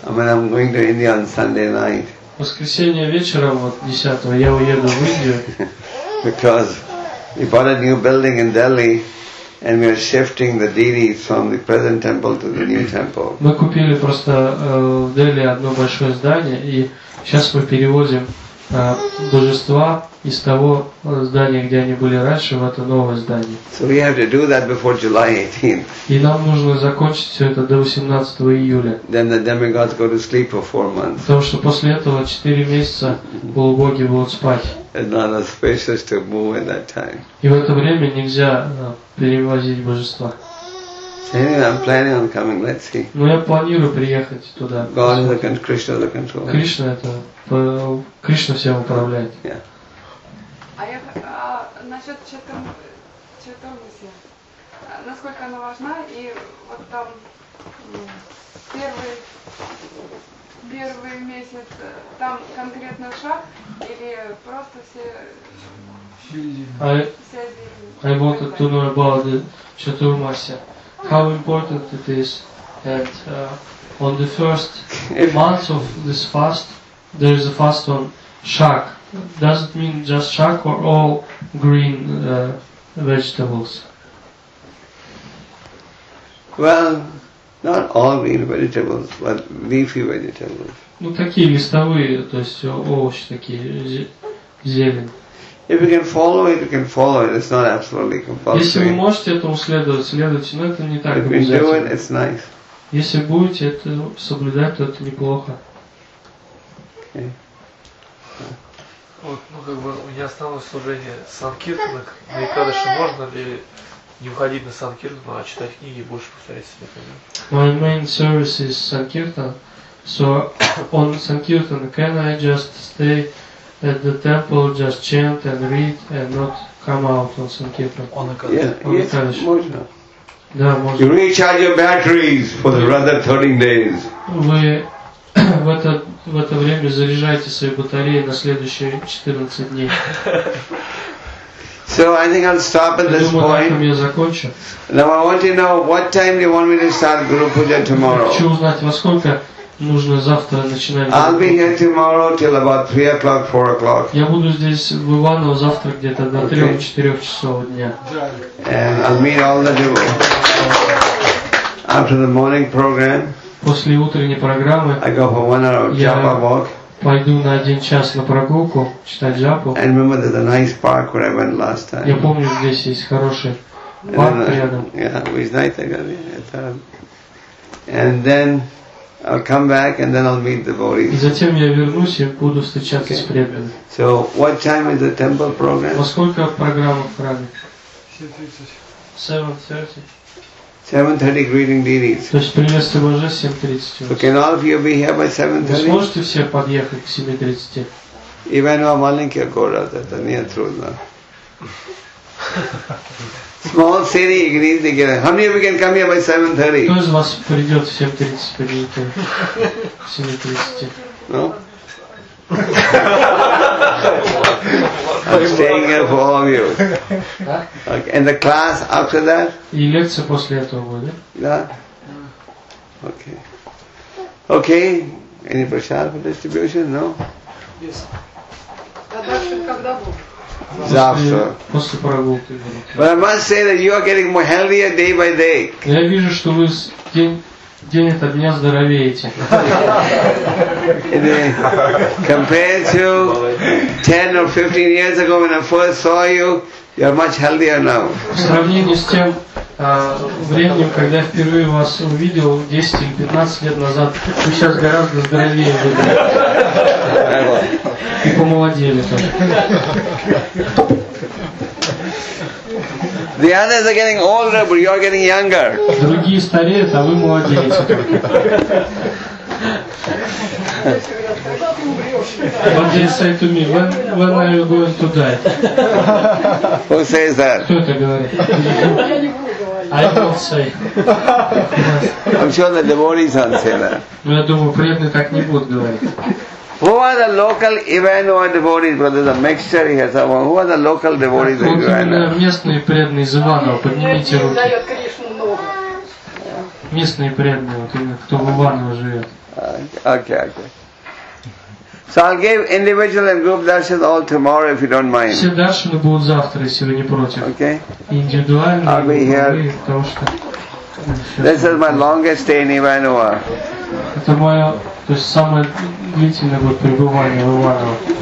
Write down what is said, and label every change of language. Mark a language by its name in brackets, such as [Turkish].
[English] I mean, I'm going to India on Sunday night. [Russian] Воскресенье вечером, вот 10-го, я уеду в Индию. [English] Because we bought a new building in Delhi, and we are shifting the deities from the present temple to the new temple. [Russian] Мы купили просто в Дели одно большое здание, и сейчас мы перевозим божества из того здания, где они были раньше, в это новое здание. [English] So we have to do that before July 18th. [Russian] И нам нужно закончить все это до 18 июля. [English] Then the demigods go to sleep for 4 months. [Russian] Потому что после этого 4 месяца полубоги будут спать. [English] It's not as spacious to move in that time. [Russian] И в это время нельзя перевозить божества. [English] So anyway, I'm planning on coming. Let's see. [Russian] Но я планирую приехать туда. [English] God is the control. Krishna is the control. [Russian] Кришна это. Кришна всем управляет. А я насчет Чатурдаси, насколько она важна, и вот там первый месяц, там конкретно шаг или просто все зимы? [English] I wanted to know about the Чатурмаси. how important it is that on the first month of this fast, there is a fast on shak. Does it mean just shak or all green vegetables? Well, not all green vegetables, but leafy vegetables. [Russian] Ну такие листовые, то есть овощи такие, зелень. [English] If you can follow it, you can follow it. It's not absolutely compulsory. [Russian] Если вы можете этому следовать, следуйте, но это не так обязательно. [English] If you do it, it's nice. [Russian] Если будете это соблюдать, то это неплохо. [English] Okay. [Russian] Вот, ну как бы у меня осталось служение санкиртана, на Экадыше можно ли не уходить на санкиртану, а читать книги и больше повторять себе [English] книги? My main service is санкиртан. So on санкиртан, can I just stay at the temple, just chant and read and not come out on санкиртан? On Экадыше. [Russian] Можно. Да, можно. [English] You recharge your batteries for the other 13 days. [Russian] Вы в это время заряжаете свои батареи на следующие 14 дней. [English] So I think I'll stop at this point. [Russian] Я закончу. [English] Now I want to know what time do you want me to start Guru Puja tomorrow? [Russian] Хочу узнать, во сколько нужно завтра начинать. [English] I'll be here tomorrow till about 3 o'clock, 4 o'clock. [Russian] Я буду здесь в Иваново завтра где-то до 3-4 часов дня. [English] And I'll meet all the devotees after the morning program. [Russian] После утренней программы [English] I go for 1 hour of japa walk. [Russian] Пойду на 1 час на прогулку читать джапу. [English] I remember there's a nice park where I went last time. [Russian] Я помню, здесь есть хороший парк рядом. [English] Yeah, we [Russian] знаете, я говорю. [English] And then I'll come back and then I'll meet the devotees. [Russian] И затем я вернусь и буду встречаться с преданными. [English] So what time is the temple program? [Russian] Во сколько программа в храме? [English] 7:30. 7:30 greeting deities. [Russian] То есть приветствие уже 7:30. [English] So can all of you be here by 7:30? [Russian] Вы сможете все подъехать к 7:30? Иванова маленькая город, это не трудно. [English] Small city, you can easily get. How many of you can come here by 7:30? [Russian] Кто из вас придет в 7:30 приедете? 7:30. [English] No. I'm staying here for all of you. Okay. And the class after that? [Russian] И лекция после этого будет? Да. [English] Okay. Okay. Any prasad for distribution? No. Yes. [Russian] Когда будет? Завтра. После прогулки. [English] But I must say that you are getting more healthier day by day. [Russian] Я вижу, что вы день ото дня здоровеете. [English] Compared to 10 or 15 years ago when I first saw you, you are much healthier now. [Russian] В сравнении с тем временем, когда я впервые вас увидел 10 или 15 лет назад, вы сейчас гораздо здоровее были. И помолодели тоже. [English] The others are getting older, but you are getting younger. [Russian] Другие стареют, а вы молодеете. [English] What do you say to me? When are you going to die? Who says that? [Russian] Кто это говорит? [English] I don't say. I'm sure the devotees don't say that. [Russian] Ну я думаю, преданные так не будут говорить. [English] Who are the local Ivanova devotees, brothers? A mixture here somewhere. Who are the local devotees in Ivanova? [Russian] Местные преданные из Иваново, поднимите руки. Дает Кришну много. Местные преданные, вот именно, кто в Иваново живет. [English] Okay. So I'll give individual and group darshan all tomorrow, if you don't mind. [Russian] Все даршины будут завтра, если вы не против. [English] Okay. [Russian] Индивидуально. [English] I'll be here. This is my longest stay in Ivanova. [Russian] Это моя, то есть самое длительное будет пребывание в Иваново.